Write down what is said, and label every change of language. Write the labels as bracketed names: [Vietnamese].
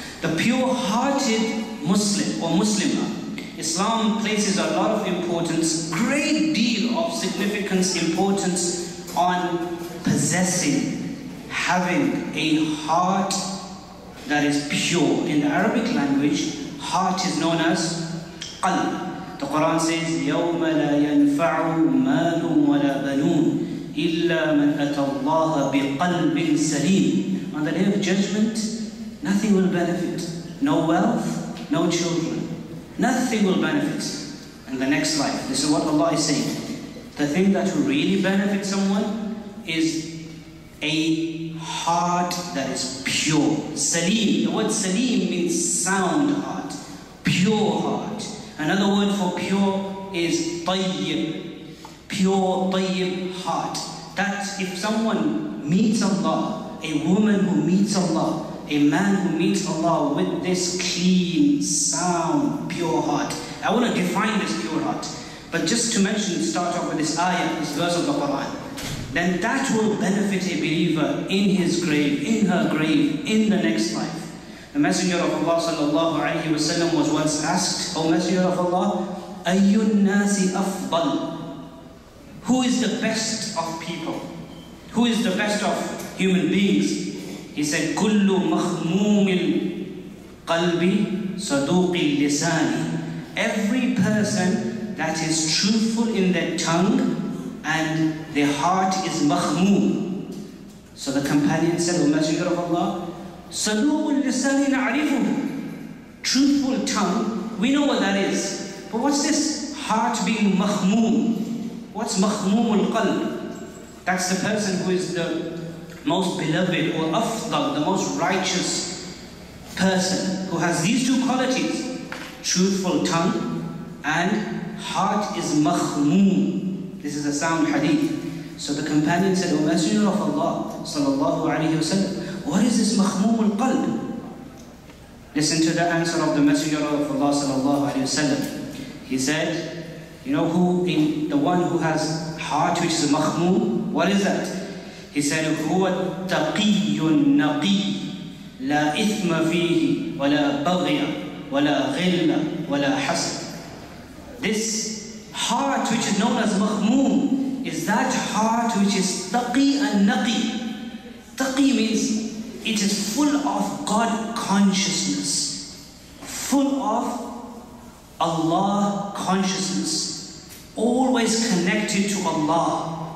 [English] The pure-hearted Muslim or Muslimah, Islam places a lot of importance, great deal of significance, importance on possessing, having a heart that is pure. In the Arabic language, heart is known as qalb. The Quran says, [Arabic] يَوْمَ لَا يَنْفَعُ مَالٌ وَلَا بَنُونَ إِلَّا مَنْ أَتَى اللَّهَ بِقَلْبٍ سَلِيمٍ. [English] On the day of judgment, nothing will benefit. No wealth, no children. Nothing will benefit in the next life. This is what Allah is saying. The thing that will really benefit someone is a heart that is pure. Salim. The word salim means sound heart. Pure heart. Another word for pure is طيب. Pure, طيب heart. That if someone meets Allah, a woman who meets Allah, a man who meets Allah with this clean, sound, pure heart. I want to define this pure heart. But just to mention, start off with this ayah, this verse of the Quran. Then that will benefit a believer in his grave, in her grave, in the next life. The Messenger of Allah sallallahu alayhi wa sallam was once asked, O Messenger of Allah, [Arabic] أَيُّ النَّاسِ أَفْضَلُ. [English] Who is the best of people? Who is the best of human beings? He said, [Arabic] كُلُّ مَخْمُومٍ قَلْبِ صَدُوقِ لِسَانِ. [English] Every person that is truthful in their tongue and their heart is مَخْمُوم. So the companion said, O Messenger of Allah, [Arabic] صَدُوقُ لِسَانِ نَعْرِفُ. [English] Truthful tongue, we know what that is. But what's this heart being مَخْمُوم? What's [Arabic] مَخْمُوم الْقَلْبِ? [English] That's the person who is the most beloved or afdal, the most righteous person who has these two qualities, truthful tongue and heart is makhmoon. This is a sound hadith. So the companion said, O Messenger of Allah sallallahu alayhi wa sallam, what is this makhmoon al-qalb? Listen to the answer of the Messenger of Allah sallallahu alayhi wa sallam. He said, you know who, in the one who has heart which is makhmoon, what is that? He said, [Arabic] هُوَ التَّقِيُّ النَّقِيُّ لَا إِثْمَ فِيهِ وَلَا بَغْيَ وَلَا غِلَّ وَلَا حَسْرٍ. [English] This heart which is known as مَخْمُوم is that heart which is taqi and naqi. Taqi means it is full of God consciousness, full of Allah consciousness, always connected to Allah.